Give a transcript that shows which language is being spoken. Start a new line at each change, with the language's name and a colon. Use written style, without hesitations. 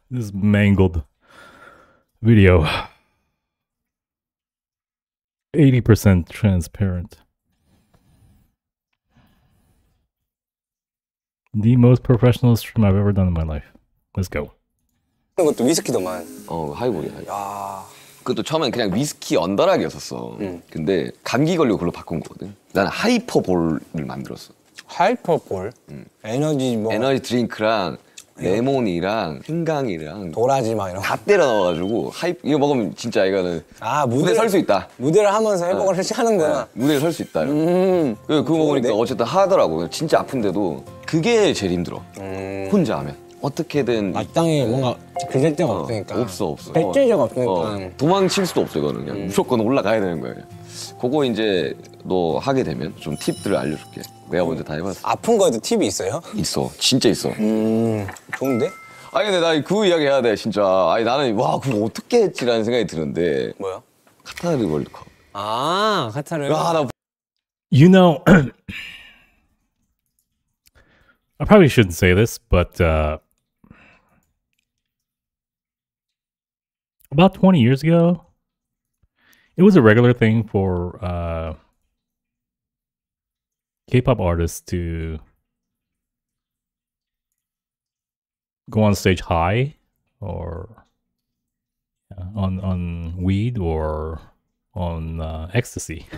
English: This is mangled video. 80% transparent. The most professional stream I've ever done in my life. Let's go.
Korean: 그것도 위스키더만. 어, 하이볼이야. 야. 그것도 처음엔 그냥 위스키 언더락이었었어. 응. 근데 감기 걸리고 그걸로 바꾼 거거든. 나는 하이퍼볼을 만들었어. 하이퍼볼? 응. 에너지 뭐 에너지 드링크랑 레몬이랑 흰강이랑 도라지 막 이런 다 때려 넣어 가지고 하이퍼 이거 먹으면 진짜 이거는 아, 무대 설 수 있다. 무대를 하면서 해먹을 수 있다는 거야. 무대 설 수 있다. 그 그거 먹으니까 어쨌든 하더라고. 진짜 아픈데도 그게 제일 힘들어. 혼자 하면 어떻게든 마땅히 뭔가 그럴 데가 없으니까 없어 없어 백제적 없으니까 도망칠 수도 없어 이거는 그냥 무조건 올라가야 되는 거야 그냥. 그거 이제 너 하게 되면 좀 팁들을 알려줄게 내가 먼저 다 해봤어 아픈 거에도 팁이 있어요? 있어 진짜 있어 좋은데? 아니 근데 나 그 이야기 해야 돼 진짜 아니 나는 와 그걸 어떻게 했지? 라는 생각이 드는데 뭐야? 카타르 월드컵 아 카타르 와 나
English: You know I probably shouldn't say this, but about 20 years ago, it was a regular thing for K-pop artists to go on stage high or on weed or on ecstasy.